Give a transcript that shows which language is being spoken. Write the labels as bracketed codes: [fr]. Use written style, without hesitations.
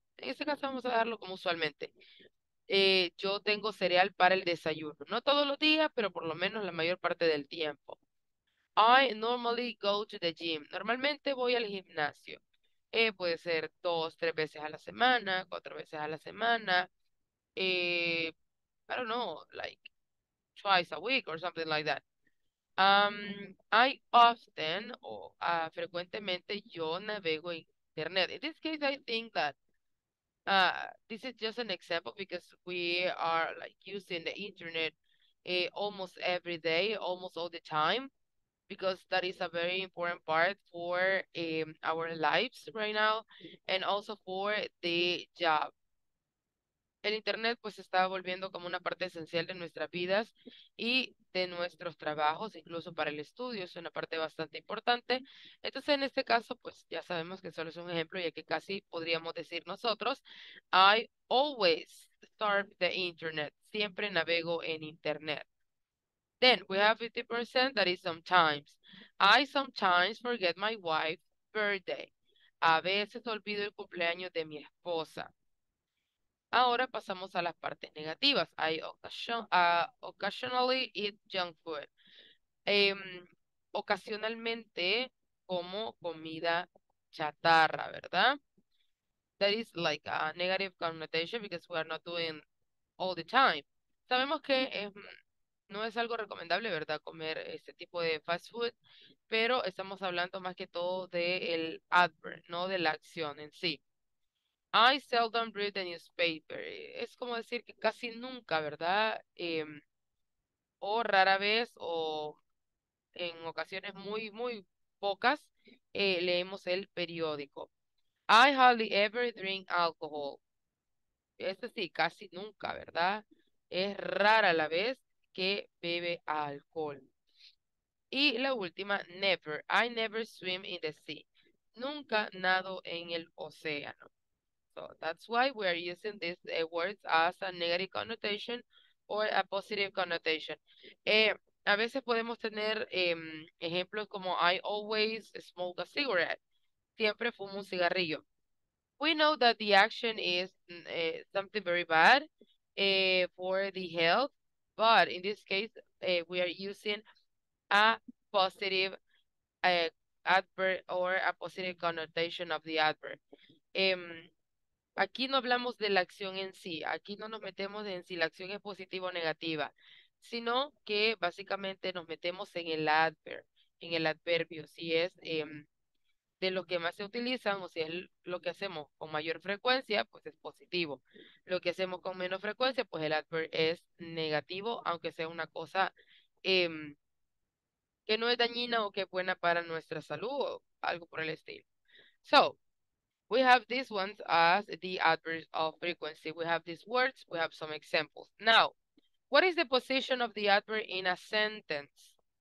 [es] En este caso vamos a dejarlo como usualmente. Yo tengo cereal para el desayuno. No todos los días, pero por lo menos la mayor parte del tiempo. [en] I normally go to the gym. [es] Normalmente voy al gimnasio. Puede ser 2, 3 veces a la semana, 4 veces a la semana. [en] I don't know, like twice a week or something like that. I often, [es] frecuentemente, yo navego en internet. [en] In this case, I think that this is just an example because we are like using the internet almost every day, almost all the time, because that is a very important part for our lives right now and also for the job. [es] El internet pues está volviendo como una parte esencial de nuestras vidas y de nuestros trabajos, incluso para el estudio, es una parte bastante importante. Entonces, en este caso, pues ya sabemos que solo es un ejemplo, ya que casi podríamos decir nosotros, [en] I always surf the internet, [es] siempre navego en internet. [en] Then, we have 50%, that is sometimes. I sometimes forget my wife's birthday. [es] A veces olvido el cumpleaños de mi esposa. Ahora pasamos a las partes negativas. [en] I occasionally eat junk food. [es] Ocasionalmente como comida chatarra, ¿verdad? [en] That is like a negative connotation because we are not doing all the time. [es] Sabemos que no es algo recomendable, ¿verdad? Comer este tipo de fast food, pero estamos hablando más que todo del adverb, no de la acción en sí. [en] I seldom read the newspaper. [es] Es como decir que casi nunca, ¿verdad? O rara vez, o en ocasiones muy, muy pocas, leemos el periódico. [en] I hardly ever drink alcohol. [es] Este sí, casi nunca, ¿verdad? Es rara la vez que bebe alcohol. Y la última, [en] never. I never swim in the sea. [es] Nunca nado en el océano. [en] So that's why we are using these words as a negative connotation or a positive connotation. [es] A veces podemos tener ejemplos como [en] I always smoke a cigarette. [es] Siempre fumo un cigarrillo. [en] We know that the action is something very bad for the health, but in this case, we are using a positive adverb or a positive connotation of the adverb. [es] Aquí no hablamos de la acción en sí, aquí no nos metemos en si la acción es positiva o negativa, sino que básicamente nos metemos en el adverb, en el adverbio, si es de lo que más se utilizan, o si es lo que hacemos con mayor frecuencia, pues es positivo. Lo que hacemos con menos frecuencia, pues el adverb es negativo, aunque sea una cosa que no es dañina o que es buena para nuestra salud o algo por el estilo. [en] So, we have these ones as the adverbs of frequency. We have these words, we have some examples. Now, what is the position of the adverb in a sentence?